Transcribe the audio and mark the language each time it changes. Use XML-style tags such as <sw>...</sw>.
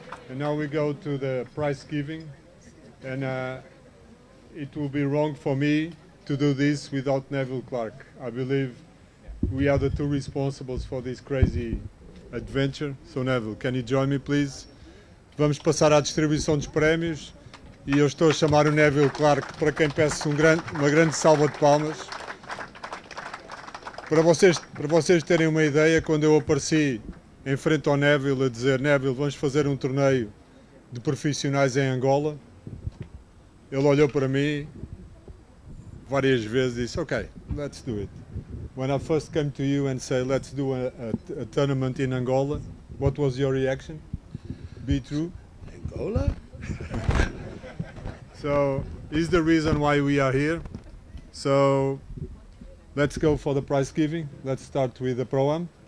<en>And now we go to the prize giving. And it will be wrong for me to do this without Neville Clark. I believe we are the two responsibles for this crazy adventure. So Neville, can you join me, please?</en> <pt>Vamos passar à distribuição dos prémios. E eu estou a chamar o Neville Clark, para quem peço uma grande salva de palmas. Para vocês terem uma ideia, quando eu apareci em frente ao Neville a dizer: Neville, vamos fazer um torneio de profissionais em Angola, ele olhou para mim várias vezes e disse:</pt> <en>ok, let's do it. When I first came to you and said let's do a tournament in Angola, what was your reaction? Be true? Angola? So, is the reason why we are here. So, let's go for the prize giving. Let's start with the Pro-Am.</en>